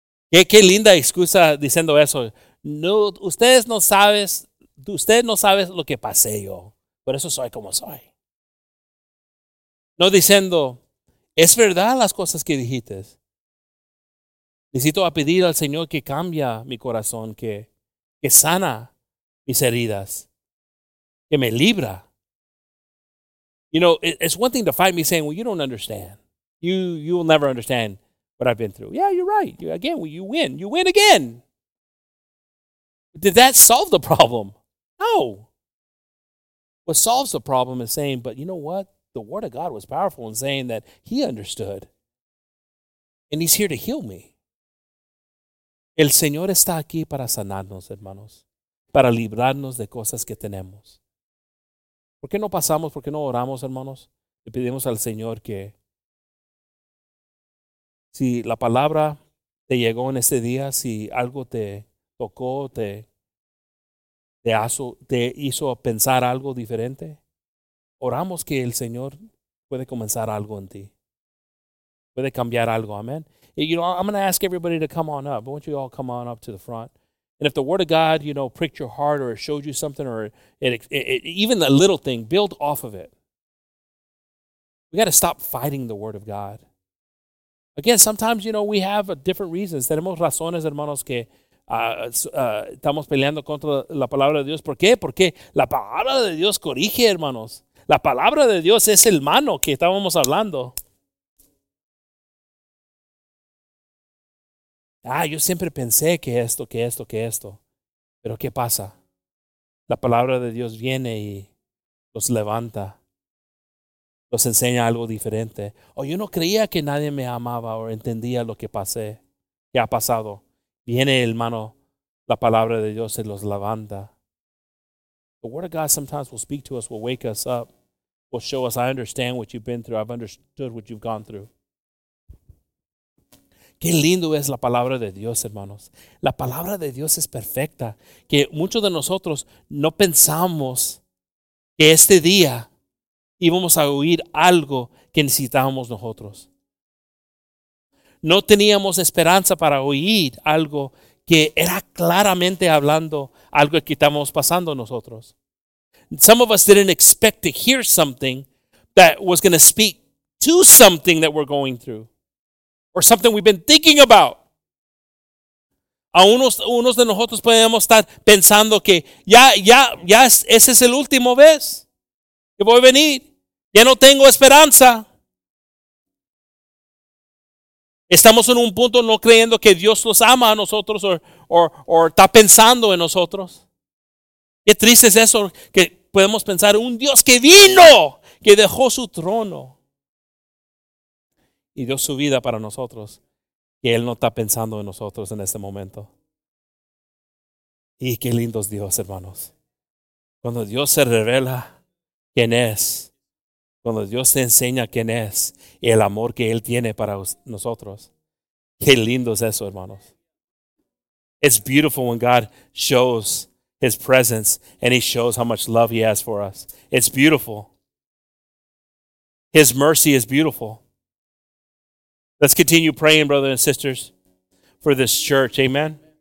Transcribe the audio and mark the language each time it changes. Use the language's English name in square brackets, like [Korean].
[Spanish] Qué linda excusa diciendo eso. No, ustedes no saben lo que pasé yo. Por eso soy como soy. No diciendo, es verdad las cosas que dijiste. Necesito a pedir al Señor que cambie mi corazón, que sana mis heridas, que me libra. [English] You know, it's one thing to fight me saying, well, you don't understand. You will never understand what I've been through. Yeah, you're right. You win again. Did that solve the problem? No. What solves the problem is saying, but you know what? The Word of God was powerful in saying that He understood. And He's here to heal me. [Spanish] El Señor está aquí para sanarnos, hermanos. Para librarnos de cosas que tenemos. ¿Por qué no pasamos? ¿Por qué no oramos, hermanos? Le pedimos al Señor que si la palabra te llegó en este día, si algo te tocó, te hizo pensar algo diferente, oramos que el Señor puede comenzar algo en ti. Puede cambiar algo, amén. [English] You know, I'm going to ask everybody to come on up. I want you all come on up to the front. And if the Word of God, you know, pricked your heart or showed you something or even a little thing, build off of it. We got to stop fighting the Word of God. Again, sometimes, you know, we have different reasons. [Spanish] Tenemos razones, hermanos, que estamos peleando contra la palabra de Dios. ¿Por qué? Porque la palabra de Dios corrige, hermanos. La palabra de Dios es el mano que estábamos hablando. Ah, yo siempre pensé que esto. Pero ¿qué pasa? La palabra de Dios viene y los levanta. Los enseña algo diferente. O yo no creía que nadie me amaba o entendía lo que pasé. ¿Qué ha pasado? Viene el mano, la palabra de Dios y los levanta. [English] The Word of God sometimes will speak to us, will wake us up, will show us, I understand what you've been through, I've understood what you've gone through. [Spanish] Qué lindo es la palabra de Dios, hermanos. La palabra de Dios es perfecta. Que muchos de nosotros no pensamos que este día íbamos a oír algo que necesitábamos nosotros. no teníamos esperanza para oír algo que era claramente hablando algo que estamos pasando nosotros. [English] Some of us didn't expect to hear something that was going to speak to something that we're going through or something we've been thinking about. [Spanish] A unos de nosotros podemos estar pensando que ya ese es el último vez que voy a venir. Ya no tengo esperanza. Estamos en un punto no creyendo que Dios los ama a nosotros o está pensando en nosotros. Qué triste es eso, que podemos pensar un Dios que vino, que dejó su trono y dio su vida para nosotros, que Él no está pensando en nosotros en este momento. Y qué lindo es Dios, hermanos. Cuando Dios se revela quién es, cuando Dios te enseña quién es y el amor que Él tiene para nosotros, qué lindo es eso, hermanos. [English] It's beautiful when God shows His presence and He shows how much love He has for us. It's beautiful. His mercy is beautiful. Let's continue praying, brothers and sisters, for this church. Amen.